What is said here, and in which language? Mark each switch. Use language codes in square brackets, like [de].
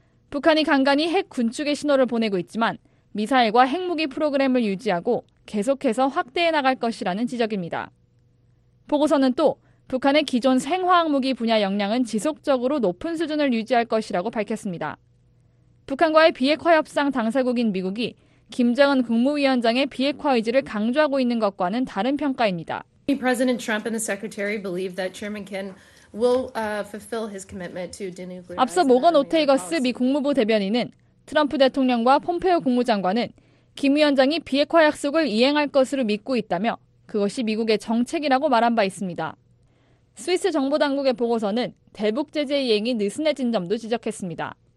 [ko] 북한이 간간이 핵 군축의 신호를 보내고 있지만 미사일과 핵무기 프로그램을 유지하고 계속해서 확대해 나갈 것이라는 지적입니다. 보고서는 또 북한의 기존 생화학무기 분야 역량은 지속적으로 높은 수준을 유지할 것이라고 밝혔습니다. 북한과의 비핵화 협상 당사국인 미국이 김정은 국무위원장의 비핵화 의지를 강조하고 있는 것과는 다른 평가입니다. [en] President Trump and the Secretary believe that Chairman Kim will fulfill his commitment to denuclearize. [ko] 앞서 모건 오테이거스 미 국무부 대변인은 트럼프 대통령과 폼페오 국무장관은 김 위원장이 비핵화 약속을 이행할 것으로 믿고 있다며 그것이 미국의 정책이라고 말한 바 있습니다. 스위스 정보당국의 보고서는 대북 제재 이행이 느슨해진 점도 지적했습니다.